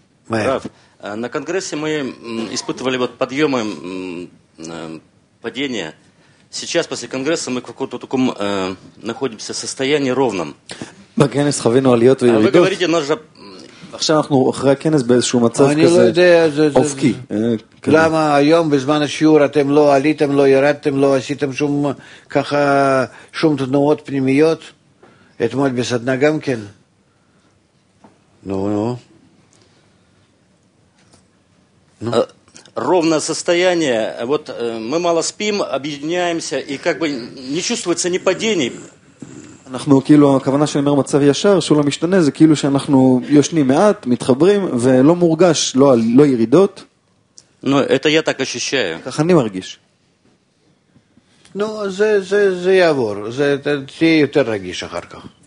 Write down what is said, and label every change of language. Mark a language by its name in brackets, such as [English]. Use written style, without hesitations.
[Russian] רב, на конгрессе мы испытывали вот подъемы падения. Сейчас после конгресса мы в каком-то таком находимся в состоянии ровном. [Hebrew] בכנס חווינו עליות וירידות. [Russian] Вы говорите, нас же [Hebrew] עכשיו אנחנו אחרי הכנס באיזשהו מצב כזה. אני לא יודע, זה אופקי. למה היום בזמן השיעור אתם לא עליתם, לא ירדתם, לא עשיתם שום ככה שום תנועות פנימיות? אתמול בסדנה גם כן. נו. [Russian] Ровное состояние, вот мы мало спим, объединяемся, и как бы не чувствуется ни падений. [Hebrew] אנחנו כאילו, הכוונה שאני אומר מצב ישר, שהוא לא משתנה, זה כאילו שאנחנו יושנים מעט, מתחברים, ולא מורגש, לא ירידות. נו, [Russian] это я так ощущаю. [Hebrew] כך אני מרגיש. נו, זה יעבור, זה תהיה יותר רגיש אחר כך.